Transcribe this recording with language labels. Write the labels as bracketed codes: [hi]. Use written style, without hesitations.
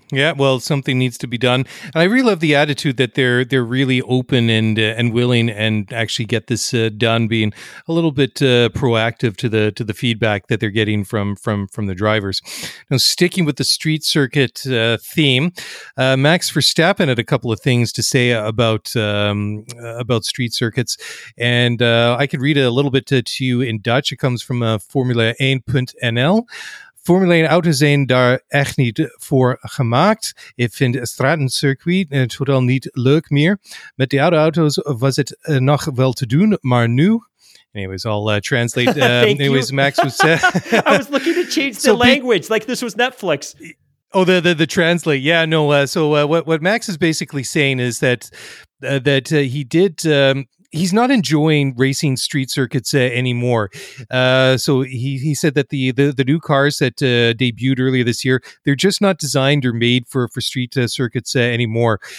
[en] Yeah, well, something needs to be done. And I really love the attitude that they're really open and willing and actually get this done, being a little bit proactive to the feedback that they're getting from the drivers. Now, sticking with the street circuit theme, Max Verstappen had a couple of things to say about street circuits. And I could read a little bit to you in Dutch. It comes from Formule1.nl. [nl] Formule 1 auto's zijn daar echt niet voor gemaakt. Ik vind het stratencircuit totaal niet leuk meer. Met de oude auto's was het nog wel te doen, maar nu... [en] Anyways, I'll translate. Max was saying... I was looking to change the language, like this was Netflix. Oh, the translate. Yeah, no. What Max is basically saying is that he did... he's not enjoying racing street circuits anymore. So he said that the new cars that debuted earlier this year, they're just not designed or made for street circuits anymore.